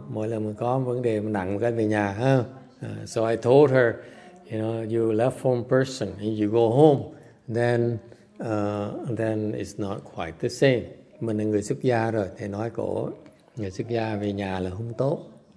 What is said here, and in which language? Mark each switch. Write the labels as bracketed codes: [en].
[vi] Mỗi lần có vấn đề nặng cái về nhà. [en] So I told her, you know, you left home person and you go home, then it's not quite the same. [vi] Mình là người xuất gia rồi, thầy nói cổ người xuất gia về nhà là không tốt.